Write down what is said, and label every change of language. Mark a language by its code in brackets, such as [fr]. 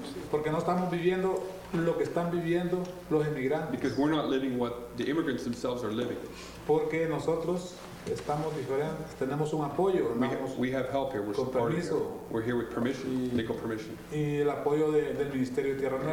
[es] Porque no estamos viviendo lo que están viviendo los inmigrantes. [en] Because we're not living what the immigrants themselves are living. [es] Porque nosotros Estamos diferentes. Tenemos un apoyo. [en] We have help here. We're [es] con [en] supported. [es] Permiso. [en] We're here with permission, legal permission. [es] Y el apoyo del Ministerio de Tierra Nueva.